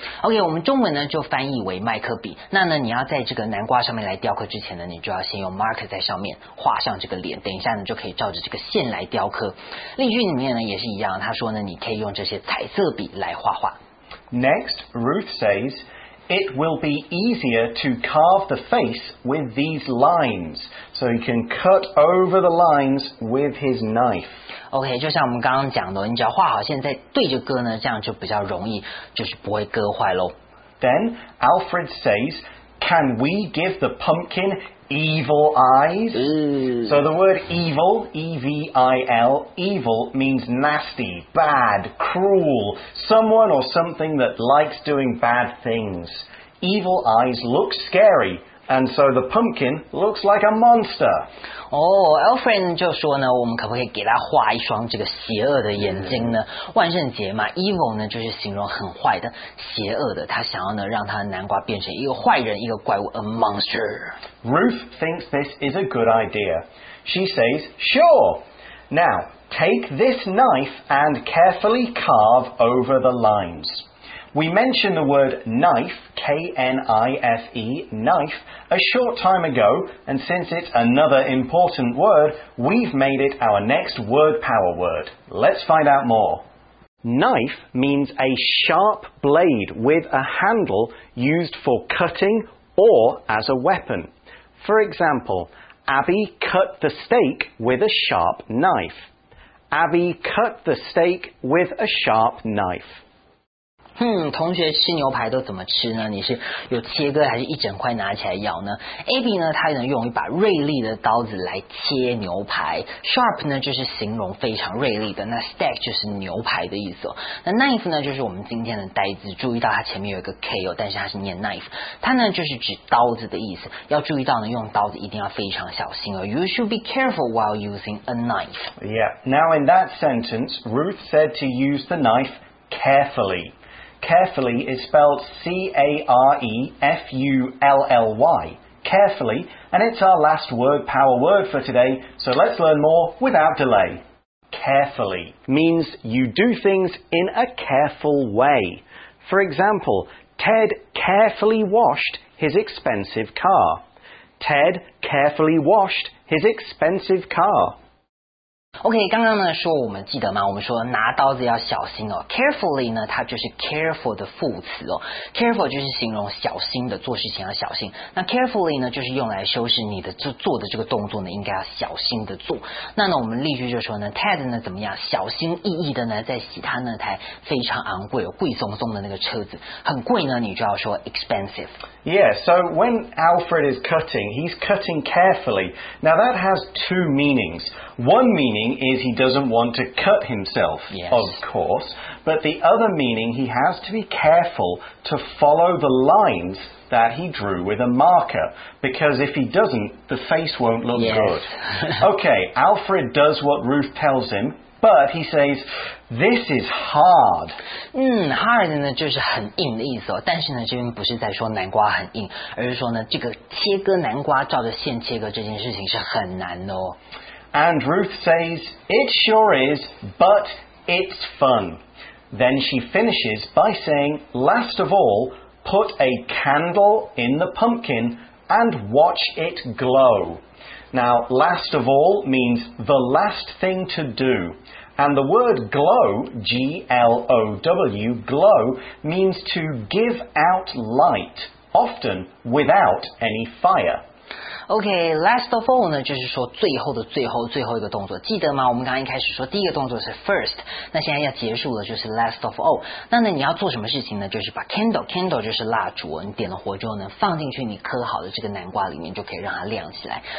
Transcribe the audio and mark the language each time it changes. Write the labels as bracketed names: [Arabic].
[Chinese] OK, 我们中文呢就翻译为麦克笔，那呢你要在这个南瓜上面来雕刻之前呢，你就要先用 Marker 在上面画上这个脸，等一下呢就可以照着这个线来雕刻。例句里面呢也是一样，他说呢你可以用这些彩色笔来画画。 [English] Next, Ruth says, it will be easier to carve the face with these lines, so you can cut over the lines with his knife. [Chinese] OK, 就像我们刚刚讲的，你只要画好线再对着割呢，这样就比较容易，就是不会割坏咯。 [English] Then Alfred says, can we give the pumpkin evil eyes? Ooh. So the word evil, E-V-I-L, evil means nasty, bad, cruel, someone or something that likes doing bad things. Evil eyes look scary, and so the pumpkin looks like a monster. [Chinese] Oh, Alfred 就说呢，我们可不可以给他画一双这个邪恶的眼睛呢？万圣节嘛， evil 呢就是形容很坏的、邪恶的，他想要呢让他的南瓜变成一个坏人、一个怪物， [English] a monster. Ruth thinks this is a good idea. She says, sure. Now, take this knife and carefully carve over the lines. We mentioned the word knife, K-N-I-F-E, knife, a short time ago, and since it's another important word, we've made it our next word power word. Let's find out more. Knife means a sharp blade with a handle used for cutting or as a weapon. For example, Abby cut the steak with a sharp knife. Abby cut the steak with a sharp knife. [Chinese] 同学吃牛排都怎么吃呢？你是有切割还是一整块拿起来咬呢？ Abby 呢他能用一把锐利的刀子来切牛排。 Sharp 呢就是形容非常锐利的，那 steak 就是牛排的意思，哦，那 knife 呢就是我们今天的呆字，注意到它前面有一个 K，哦，但是它是念 knife， 它呢就是指刀子的意思。要注意到呢用刀子一定要非常小心，哦， [English] You should be careful while using a knife. Yeah. Now in that sentence, Ruth said to use the knife carefullyCarefully is spelled C-A-R-E-F-U-L-L-Y. Carefully, and it's our last word power word for today, so let's learn more without delay. Carefully means you do things in a careful way. For example, Ted carefully washed his expensive car. Ted carefully washed his expensive car. [Chinese] OK, 刚刚呢说我们记得吗，我们说拿刀子要小心哦。 Carefully 呢它就是 careful 的副词哦。Careful 就是形容小心的，做事情要小心。那 carefully 呢就是用来修饰你的做的这个动作呢应该要小心的做。那呢我们例句就说呢 ,Ted 呢怎么样小心翼翼的呢在洗他那台非常昂贵哦贵松松的那个车子。很贵呢你就要说 expensive。 [English] Yeah, so when Alfred is cutting, he's cutting carefully. Now that has two meanings. One meaning meaning is he doesn't want to cut himself, yes. Of course. But the other meaning, he has to be careful to follow the lines that he drew with a marker, because if he doesn't, the face won't look yes. good. Okay, Alfred does what Ruth tells him, but he says, this is hard. [Chinese] Hard 呢就是很硬的意思哦，但是呢这边不是在说南瓜很硬，而是说呢这个切割南瓜照着线切割这件事情是很难的哦。 [English] And Ruth says, it sure is, but it's fun. Then she finishes by saying, last of all, put a candle in the pumpkin and watch it glow. Now, last of all means the last thing to do. And the word glow, G-L-O-W, glow, means to give out light, often without any fire. [Chinese] OK, last of all 呢就是说最后的最后最后一个动作，记得吗？我们刚刚一开始说第一个动作是 first， 那现在要结束的就是 last of all。那呢你要做什么事情呢？就是把 candle 就是蜡烛，你点了火之后呢放进去你刻好的这个南瓜里面，就可以让它亮起来。